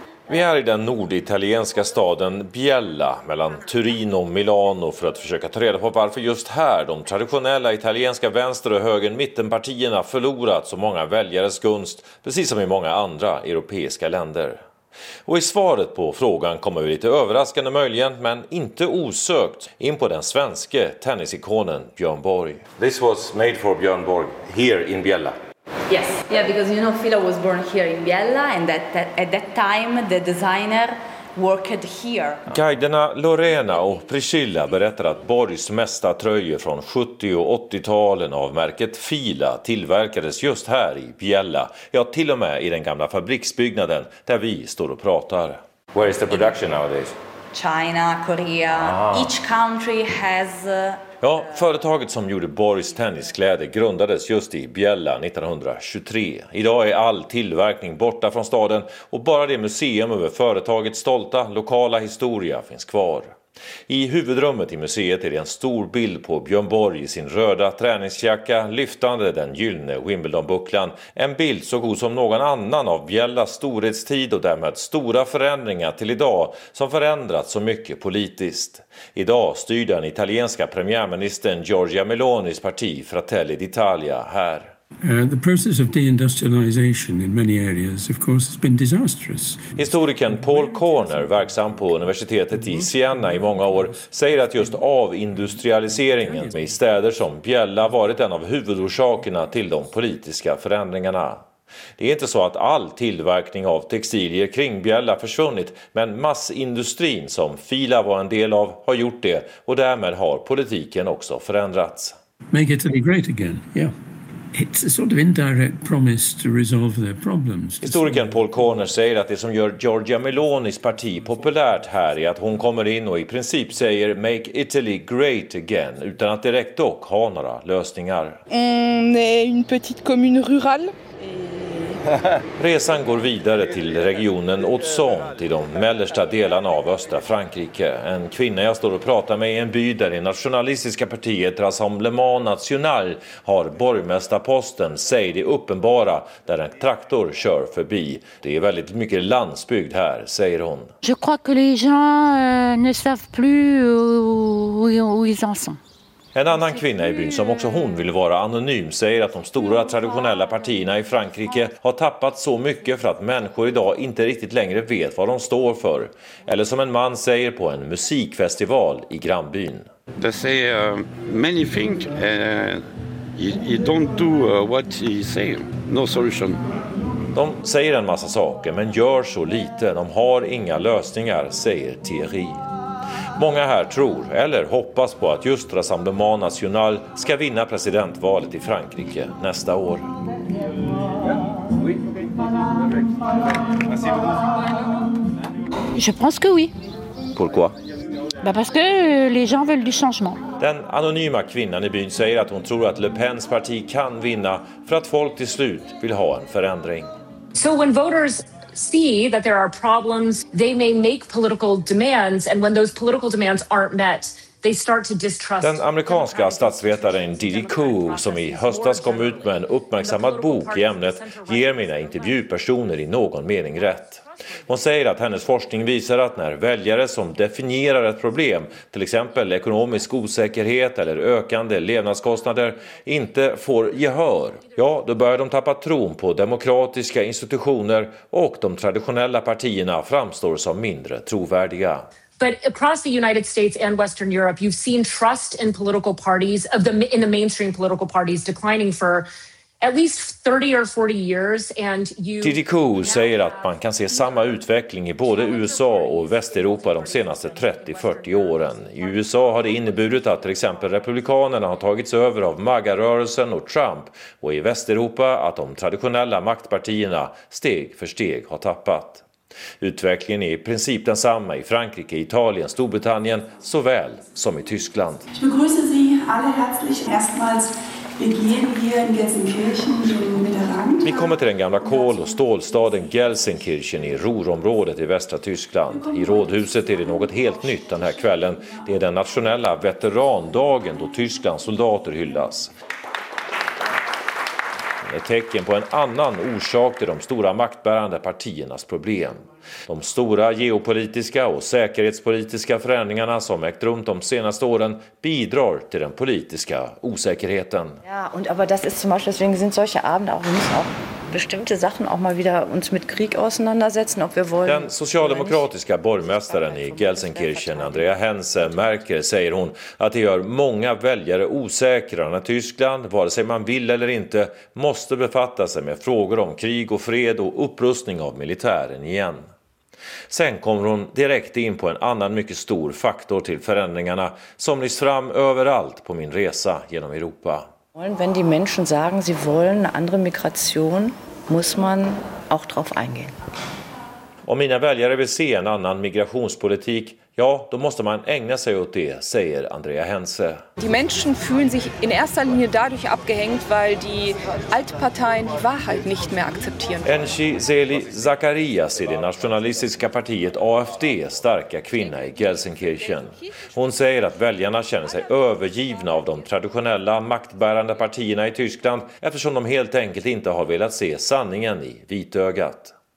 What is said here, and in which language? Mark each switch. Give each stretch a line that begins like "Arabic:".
Swedish: Vi är i den norditalienska staden Biella mellan Turin och Milano för att försöka ta reda på varför just här de traditionella italienska vänster- och höger- mittenpartierna förlorat så många väljares gunst, precis som i många andra europeiska länder. Och i svaret på frågan kommer vi lite överraskande möjligen, men inte osökt, in på den svenske tennisikonen Björn Borg.
English: This was made for Björn Borg here in Biella. Yes, yeah, because you know Philo was born here in Biella, and at that time the designer worked here.
Swedish: Guiderna Lorena och Priscilla berättar att Borgs mesta tröjor från 70- och 80-talen av märket Fila tillverkades just här i Bjälla. Ja, till och med i den gamla fabriksbyggnaden där vi står och pratar.
English: Where is the production nowadays? China, Korea, each country has...
Swedish: Ja, företaget som gjorde Borgs tenniskläder grundades just i Bjälla 1923. Idag är all tillverkning borta från staden och bara det museum över företagets stolta lokala historia finns kvar. I huvudrummet i museet är det en stor bild på Björn Borg i sin röda träningsjacka lyftande den gyllene Wimbledon-bucklan. En bild så god som någon annan av Bjällas storhetstid och därmed stora förändringar till idag som förändrats så mycket politiskt. Idag styr den italienska premiärministern Giorgia Melonis parti Fratelli d'Italia här.
English: The process of deindustrialization in many areas of course has been disastrous.
Swedish: Historikern Paul Corner, verksam på universitetet i Siena i många år, säger att just avindustrialiseringen med städer som Bjälla varit en av huvudorsakerna till de politiska förändringarna. Det är inte så att all tillverkning av textilier kring Bjälla försvunnit, men massindustrin som Fila var en del av har gjort det och därmed har politiken också förändrats.
English: Make it to be great again. Yeah. It's a sort of indirect promise to resolve their problems.
Swedish: Historikern Paul Corner säger att det som gör Giorgia Melonis parti populärt här är att hon kommer in och i princip säger
English: make Italy great again
Swedish: utan att direkt dock ha några lösningar.
French: On est une petite commune rurale.
Swedish: Resan går vidare till regionen Otson, till de mellersta delarna av östra Frankrike. En kvinna jag står och pratar med i en by där det nationalistiska partiet Rassemblement National har borgmästarposten, säger det uppenbara, där en traktor kör förbi. Det är väldigt mycket landsbygd här, säger hon.
French: Je crois que les gens ne savent plus où ils en sont.
Swedish: En annan kvinna i byn som också hon vill vara anonym säger att de stora traditionella partierna i Frankrike har tappat så mycket för att människor idag inte riktigt längre vet vad de står för. Eller som en man säger på en musikfestival i grannbyn.
English: They say many things and you don't do what you say. No solution.
Swedish: De säger en massa saker men gör så lite. De har inga lösningar, säger Thierry. Många här tror eller hoppas på att just Rassemblement National ska vinna presidentvalet i Frankrike nästa år.
French: Je pense que oui. Pourquoi? Bah parce que les gens veulent du changement.
Swedish: Den anonyma kvinnan i byn säger att hon tror att Le Pens parti kan vinna för att folk till slut vill ha en förändring.
English: So when voters see that there are problems, they may make political demands, and when those political demands aren't met, they start to distrust.
Swedish: Den amerikanska statsvetaren Didi Koo, som i höstas kom ut med en uppmärksammad bok i ämnet, ger mina intervjupersoner i någon mening rätt. Hon säger att hennes forskning visar att när väljare som definierar ett problem, till exempel ekonomisk osäkerhet eller ökande levnadskostnader, inte får gehör, ja, då börjar de tappa tron på demokratiska institutioner och de traditionella partierna framstår som mindre trovärdiga.
English: But across the United States and Western Europe, you've seen trust in political parties of the in the mainstream political parties declining for at least 30 or 40 years, and you.
Swedish: Didi Koo säger att man kan se samma utveckling i både USA och Västeuropa de senaste 30-40 åren. I USA har det inneburit att till exempel republikanerna har tagits över av MAGA-rörelsen och Trump, och i Västeuropa att de traditionella maktpartierna steg för steg har tappat. Utvecklingen är i princip densamma i Frankrike, Italien, Storbritannien såväl som i Tyskland.
German: Ich begrüße Sie alle herzlich erstmals.
Swedish: Vi kommer till den gamla kol- och stålstaden Gelsenkirchen i Ruhrområdet i västra Tyskland. I rådhuset är det något helt nytt den här kvällen. Det är den nationella veterandagen då Tysklands soldater hyllas. Ett tecken på en annan orsak till de stora maktbärande partiernas problem. De stora geopolitiska och säkerhetspolitiska förändringarna som ägt rum de senaste åren bidrar till den politiska osäkerheten.
German: Ja, und aber das ist zum Beispiel, deswegen sind solche Abende auch, wir müssen auch bestimmte Sachen auch mal wieder uns mit Krieg auseinandersetzen, ob wir wollen.
Swedish: Den socialdemokratiska borgmästaren i Gelsenkirchen, Andrea Hense, märker, säger hon, att det gör många väljare osäkra när Tyskland, vare sig man vill eller inte, måste befatta sig med frågor om krig och fred och upprustning av militären igen. Sen kom hon direkt in på en annan mycket stor faktor till förändringarna som lyst fram överallt på min resa genom Europa.
German: Wenn die Menschen sagen, sie wollen eine andere Migration, muss man auch drauf eingehen.
Swedish: Om mina väljare vill se en annan migrationspolitik, ja, då måste man ägna sig åt det, säger Andrea Henze.
German: Die Menschen fühlen sich in erster Linie dadurch abgehängt, weil die Altparteien die Wahrheit nicht mehr akzeptieren.
Swedish: Enchi Zeli Zakarias är det nationalistiska partiet AFD, starka kvinna i Gelsenkirchen. Hon säger att väljarna känner sig övergivna av de traditionella maktbärande partierna i Tyskland eftersom de helt enkelt inte har velat se sanningen i vitögat.